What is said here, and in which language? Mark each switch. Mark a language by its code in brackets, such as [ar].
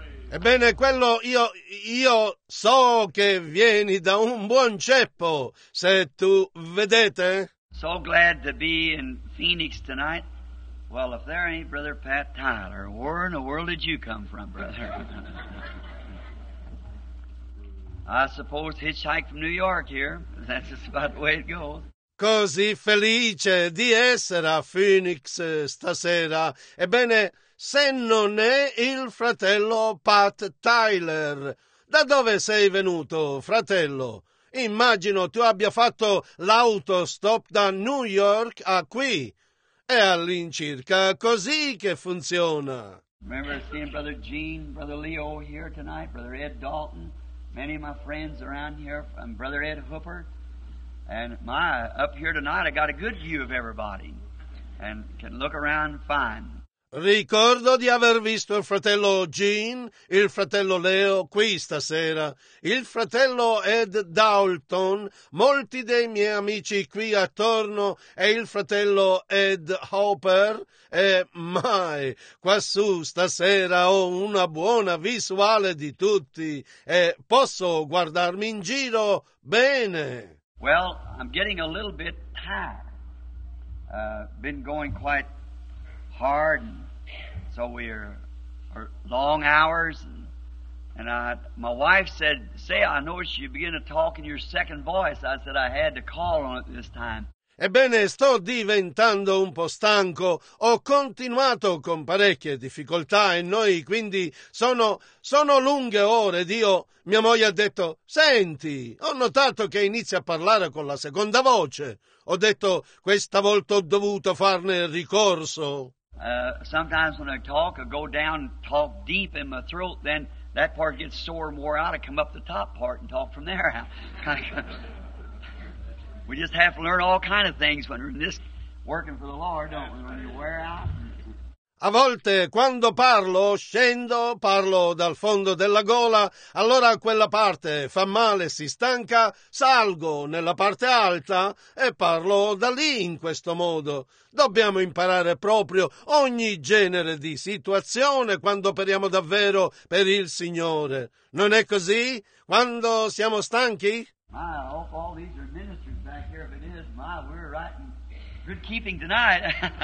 [it] Ebbene, quello io so che vieni da un buon ceppo, se tu vedete. [en] So glad to be in Phoenix tonight. Well, if there ain't Brother Pat Tyler, where in the world did you come from, brother? I suppose hitchhike from New York here. That's just about the way it goes. [it] Così felice di essere a Phoenix stasera. Ebbene, se non è il fratello Pat Tyler, da dove sei venuto, fratello? Immagino tu abbia fatto l'autostop da New York a qui. È all'incirca così che funziona. [en] Remember seeing Brother Gene, Brother Leo here tonight, Brother Ed Dalton, many of my friends around here, and Brother Ed Hooper. And my, up here tonight, I got a good view of everybody and can look around fine. [it] Ricordo di aver visto il fratello Gene, il fratello Leo qui stasera, il fratello Ed Dalton, molti dei miei amici qui attorno e il fratello Ed Hopper. E mai, quassù stasera ho una buona visuale di tutti e posso guardarmi in giro bene. [en] Well, I'm getting a little bit tired. Been going quite hard, and so we're long hours. My wife said, "Say, I noticed you begin to talk in your second voice." I said, "I had to call on it this time." [it] Ebbene, sto diventando un po' stanco. Ho continuato con parecchie difficoltà e noi quindi sono lunghe ore. Dio, mia moglie ha detto, senti, ho notato che inizia a parlare con la seconda voce. Ho detto, questa volta ho dovuto farne ricorso. [en] Sometimes when I talk, I go down and talk deep in my throat, then that part gets sore and wore out. I come up the top part and talk from there out. We just have to learn all kind of things when we're just working for the Lord, don't we? When you wear out. [it] A volte, quando parlo, scendo, parlo dal fondo della gola, allora quella parte fa male, si stanca, salgo nella parte alta e parlo da lì in questo modo. Dobbiamo imparare proprio ogni genere di situazione quando operiamo davvero per il Signore. Non è così? Quando siamo stanchi? [en] I hope all these are ministers back here. If it is, my, we're right in good keeping tonight.